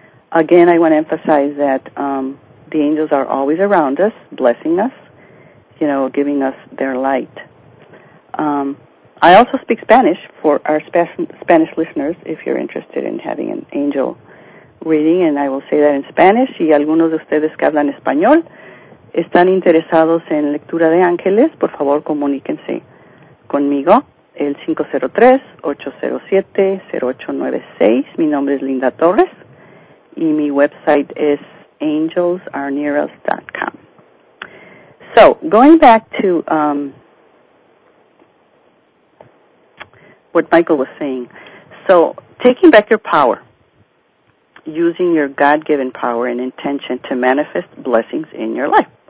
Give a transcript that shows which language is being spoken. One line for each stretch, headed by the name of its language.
English: Again, I want to emphasize that the angels are always around us, blessing us, you know, giving us their light. I also speak Spanish for our Spanish listeners, if you're interested in having an angel reading, and I will say that in Spanish.
Spanish: Y algunos de ustedes que hablan español están interesados en lectura de ángeles, por favor, comuníquense conmigo, el 503-807-0896. Mi nombre es Linda Torres y mi website es angelsareneerus.com.
English: So, going back to what Michael was saying. So, taking back your power, using your God-given power and intention to manifest blessings in your life.